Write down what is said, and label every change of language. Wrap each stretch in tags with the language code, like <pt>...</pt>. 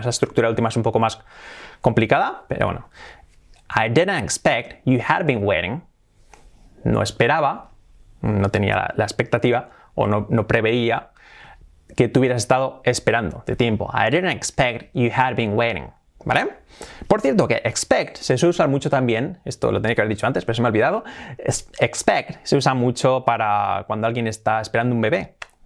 <es>Esa estructura última es un poco más complicada, pero bueno.</es> <en>I didn't expect you had been waiting.</en> <es>No esperaba, no tenía la expectativa, o no preveía que tú hubieras estado esperando de tiempo.</es> <en>I didn't expect you had been waiting.</en> <es>¿Vale? Por cierto, que expect se suele usar mucho también, esto lo tenía que haber dicho antes, pero se me ha olvidado. Expect se usa mucho para cuando alguien está esperando un bebé.</es>